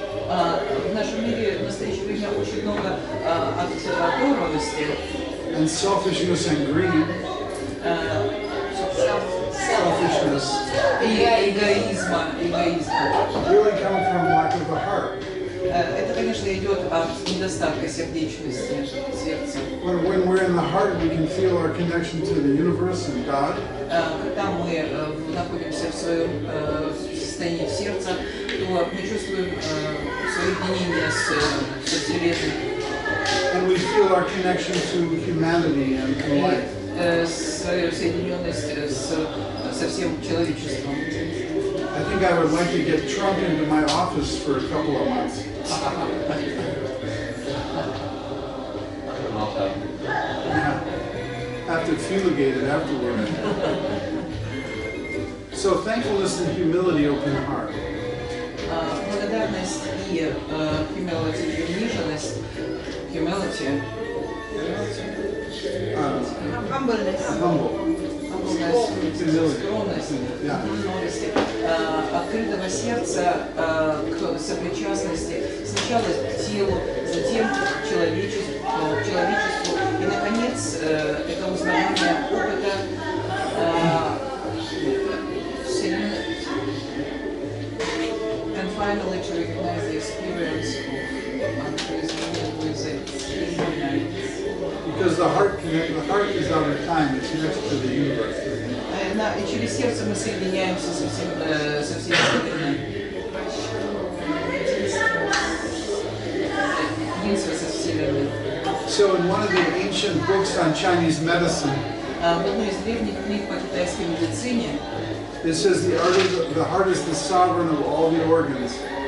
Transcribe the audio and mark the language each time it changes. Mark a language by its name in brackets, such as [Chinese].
[Russian] В нашем мире в настоящее время очень много от оторванности. [English] And selfishness and greed. Selfishness. [Russian] Эгоизм. [English] Really come from lack of a heart. [Russian] Это, конечно, идет от недостатка сердечности сердца. [English] When we're in the heart, we can feel our connection to the universe and God. [Russian] Когда мы находимся в своем состоянии сердца, то мы чувствуем соединение с Вселенной. [English] And we feel our connection to humanity and to life. [Russian] Свою соединенность со всем человечеством. [English] I think I would like to get Trump into my office for a couple of months. Have to fumigate it afterward. So thankfulness and humility open the heart. [Russian] Благодарность и humility, униженность, humility. [English] Humble. [Russian] Скромность, открытого сердца к сопричастности сначала к телу, затем к человечеству, и, наконец, это узнавание опыта вселенной. [English] And finally, to recognize the experience of unprecedented because the heart is out of time, it's next to the universe. [Russian] И через сердце мы соединяемся со всем Вселенной. [English] So in one of the ancient books on Chinese medicine, [Russian] в одной из древних книг по китайской медицине, [English] it says the heart is the sovereign of all the organs.